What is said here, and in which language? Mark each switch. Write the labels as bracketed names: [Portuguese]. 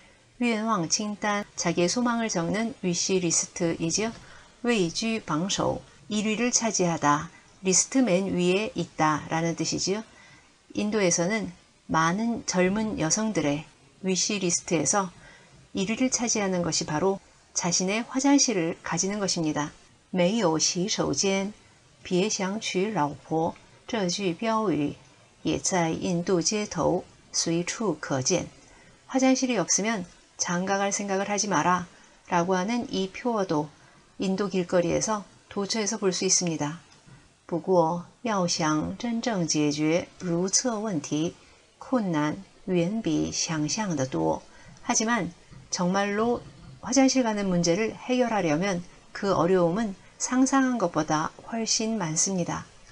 [Chinese] 在印度,很多年轻女性的愿望清单上,位居榜首的就是拥有自己的洗手间。愿望清单, [Korean] 자기의 소망을 적는 위시 리스트이죠. [Chinese] 位居榜首, [Korean] 1위를 차지하다, 리스트 맨 위에 있다 라는 뜻이지요. 인도에서는 많은 젊은 여성들의 위시 리스트에서 1위를 차지하는 것이 바로 자신의 화장실을 가지는 것입니다. [Chinese] 没有洗手间, 别想娶老婆, 这句标语也在印度街头随处可见. [Korean] 화장실이 없으면 장가갈 생각을 하지 마라 라고 하는 이 표어도 인도 길거리에서 도처에서 볼 수 있습니다. [Chinese] 不过,要想真正解决如厕问题,困难远比想象的多. [Korean] 하지만 정말로 화장실 가는 문제를 해결하려면 그 어려움은 상상한 것보다 훨씬 많습니다.